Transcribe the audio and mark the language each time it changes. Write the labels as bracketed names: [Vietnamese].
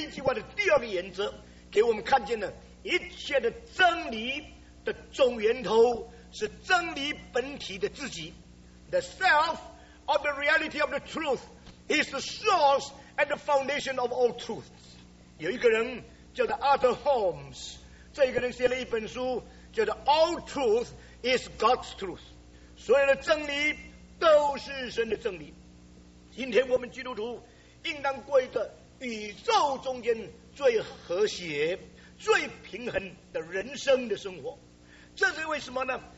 [Chinese] 句话的第二个原则，给我们看见了一切的真理的总源头是真理本体的自己。 [English] The self of the reality of the truth is the source and the foundation of all truths. [Chinese] 有一个人叫做 Arthur Holmes， 这一个人写了一本书叫做 [English] All Truth is God's Truth， [Chinese] 所有的真理都是神的真理。今天我们基督徒应当过一个宇宙中间最和谐最平衡的人生的生活。这是为什么呢？